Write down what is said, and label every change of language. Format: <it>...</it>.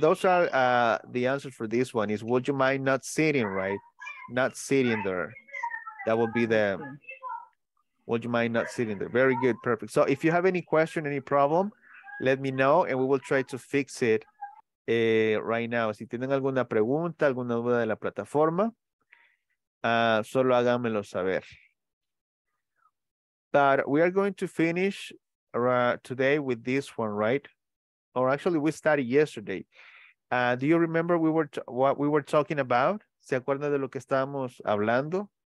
<en>Those are the answers for this one is, would you mind not sitting, right? Not sitting there. That would be the, would you mind not sitting there? Very good. Perfect. So, if you have any question, any problem, let me know and we will try to fix it right now.</en> <es>Si tienen alguna pregunta, alguna duda de la plataforma, solo háganmelo saber.</es> <en>But we are going to finish today with this one, right? Or actually, we started yesterday. Do you remember what we were talking about?</en> <es>¿Se acuerdan de lo que estábamos hablando?</es>